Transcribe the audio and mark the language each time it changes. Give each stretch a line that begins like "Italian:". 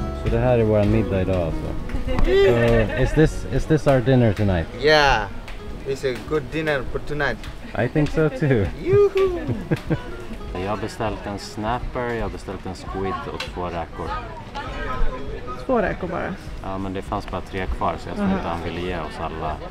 Swedish: Det här är vår middag idag alltså.
English: So, is this our dinner tonight? Yeah. It's a good dinner for tonight. I think so too.
Swedish: Juhu. Jag har beställt en snapper, jag har beställt en squid och två räkor. Två räkor bara? Ja, men det fanns bara tre kvar så jag tror inte han ville ge oss alla.